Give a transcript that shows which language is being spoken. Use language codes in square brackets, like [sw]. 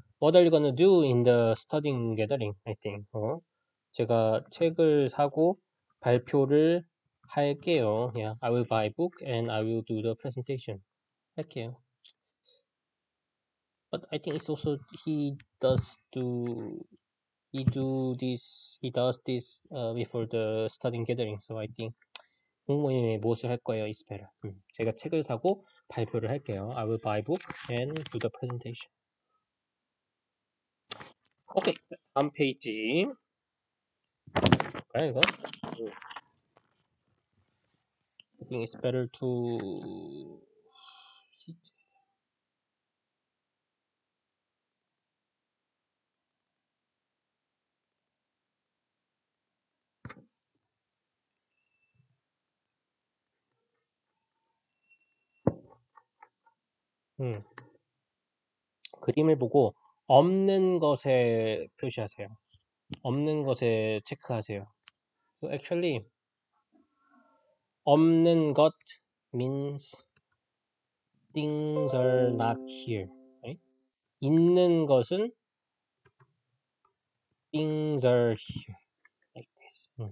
[en] What are you gonna do in the studying gathering? I think. [ko] 제가 책을 사고 발표를 할게요. [en] Yeah, I will buy a book and I will do the presentation. [ko] 할게요. [en] But I think it's also he does this before the studying gathering. So I think [ko] 공부 모임에 무엇을 할 거예요? [en] It's better. [ko] 제가 책을 사고 발표를 할게요. [en] I will buy book and do the presentation. [ko] Okay, 다음 페이지. 그래 이거. [en] I think it's better to. [ko] 그림을 보고 없는 것에 표시하세요. 없는 것에 체크하세요. [en] So actually, 없는 것 means things are not here, right? [ko] 있는 것은 [en] things are here, like this.